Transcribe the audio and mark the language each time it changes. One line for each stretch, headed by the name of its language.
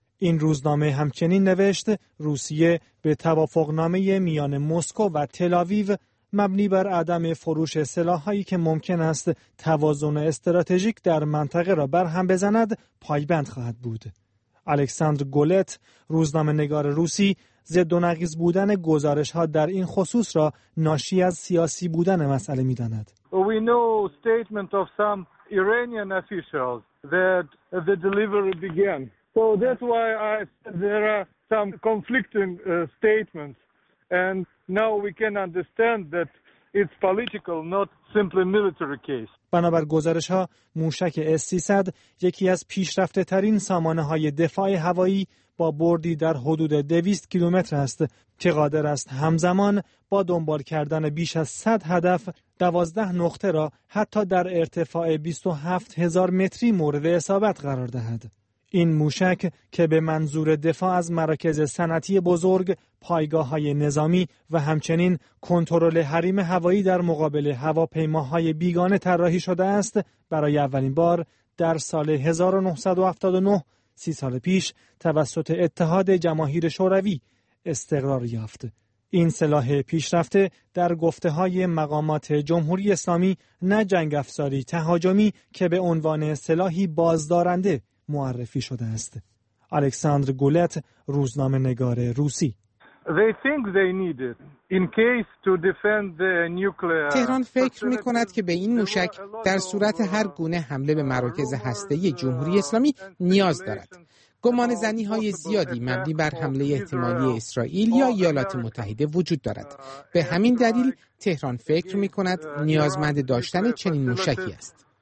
Persian: این روزنامه همچنین نوشت روسیه به توافقنامه میان مسکو و تل آویو مبنی بر عدم فروش سلاح‌هایی که ممکن است توازن استراتژیک در منطقه را برهم بزند پایبند خواهد بود. الکساندر گولت روزنامه‌نگار روسی ضد و نقیض بودن گزارش‌ها در این خصوص را ناشی از سیاسی بودن مسئله می‌داند.
English: We know statement of some Iranian officials that the delivery began. So that's why I said there are some conflicting statements and now we can understand that it's political, not simply military case.
Persian: بنابر گزارش‌ها موشک S-300 یکی از پیشرفته‌ترین سامانه‌های دفاعی هوایی با بردی در حدود 200 کیلومتر است که قادر است همزمان با دنبال کردن بیش از 100 هدف 12 نقطه را حتی در ارتفاع 27000 متری مورد اصابت قرار دهد. این موشک که به منظور دفاع از مراکز صنعتی بزرگ، پایگاه‌های نظامی و همچنین کنترل حریم هوایی در مقابل هواپیماهای بیگانه طراحی شده است، برای اولین بار در سال 1979، 30 سال پیش، توسط اتحاد جماهیر شوروی استقرار یافت. این سلاح پیشرفته در گفته‌های مقامات جمهوری اسلامی نه جنگ افزاری تهاجمی که به عنوان سلاحی بازدارنده معرفی شده است. الکساندر گولت، روزنامه‌نگار روسی.
English: They think they need it in case to defend the nuclear.
Persian: تهران فکر می‌کند که به این موشک در صورت هر گونه حمله به مراکز هسته‌ای جمهوری اسلامی نیاز دارد. گمان زنی های زیادی مبنی بر حمله احتمالی اسرائیل یا ایالات متحده وجود دارد. به همین دلیل تهران فکر می‌کند نیازمند داشتن چنین موشکی است.